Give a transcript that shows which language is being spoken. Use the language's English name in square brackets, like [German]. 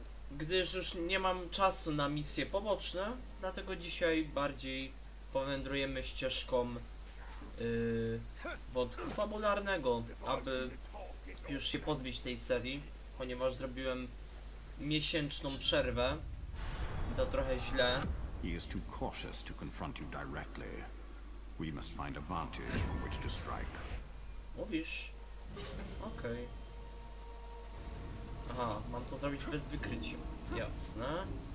[Polish] Gdyż już nie mam czasu na misje poboczne, dlatego dzisiaj bardziej powędrujemy ścieżką wątku fabularnego, aby już się pozbyć tej serii, ponieważ zrobiłem miesięczną przerwę i to trochę źle. [English] He is too cautious to confront you directly. We must find a vantage from which to strike. [Polish] Mówisz? Okej. Okay. Aha, mam to zrobić bez wykrycia. Jasne.